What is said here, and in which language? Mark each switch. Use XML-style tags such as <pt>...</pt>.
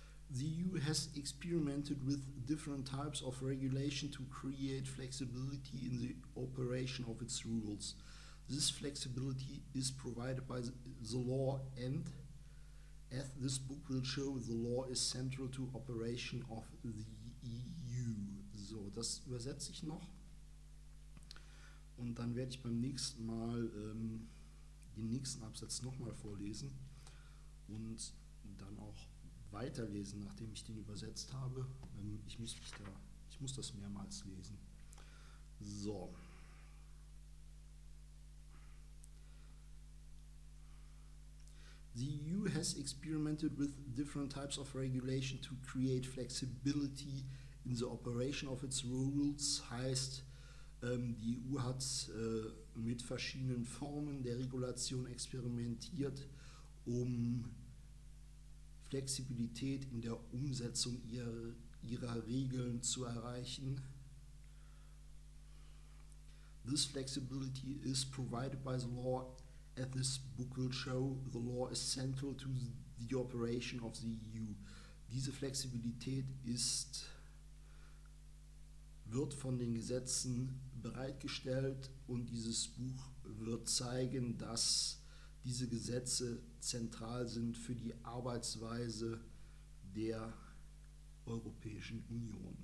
<en>The EU has experimented with different types of regulation to create flexibility in the operation of its rules. This flexibility is provided by the law and, as this book will show, the law is central to operation of the EU.</en> <de>So, das übersetze ich noch. Und dann werde ich beim nächsten Mal den nächsten Absatz nochmal vorlesen und dann auch weiterlesen, nachdem ich den übersetzt habe. Ich muss das mehrmals lesen. So.</de> <en>The EU has experimented with different types of regulation to create flexibility in the operation of its rules.</en> <de>Heißt, die EU hat mit verschiedenen Formen der Regulation experimentiert, um Flexibilität in der Umsetzung ihrer Regeln zu erreichen.</de> <en>This flexibility is provided by the law, as this book will show, the law is central to the operation of the EU.</en> <de>Diese Flexibilität wird von den Gesetzen bereitgestellt und dieses Buch wird zeigen, dass diese Gesetze zentral sind für die Arbeitsweise der Europäischen Union.</de>